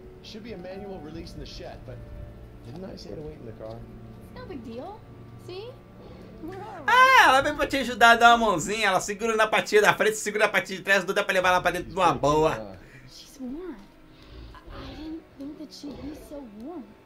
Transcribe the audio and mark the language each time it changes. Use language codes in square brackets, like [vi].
[en] Should be a manual release in the shed, but didn't I say to wait in the car? No big deal. See? [pt] Ah, ela vem pra te ajudar a dar uma mãozinha. Ela segura na patinha da frente, segura na patinha de trás, não dá pra levar ela pra dentro de uma boa. [en] She's warm. I didn't think that she'd be so warm.